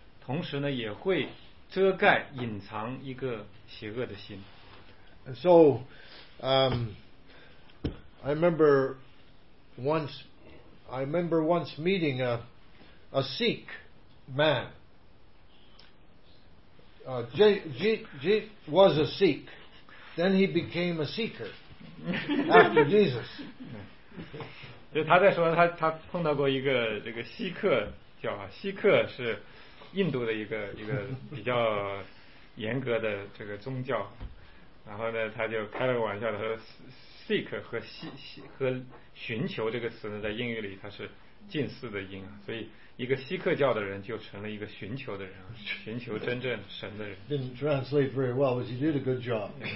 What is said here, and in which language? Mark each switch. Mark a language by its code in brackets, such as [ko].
[zh] 同时呢也会遮盖隐藏一个邪恶的心。 [en] And so, I remember once meeting a Sikh man. Jeet was a Sikh. Then he became a seeker after Jesus. [zh] 就他在说他碰到过一个这个锡克教啊，锡克是印度的一个比较严格的这个宗教。然后呢，他就开了个玩笑，他说 Sikh 和寻求这个词呢，在英语里它是近似的音啊，所以。一个锡克教的人就成了一个寻求的人，寻求真正神的人。 [en] Didn't translate very well, but you did a good job.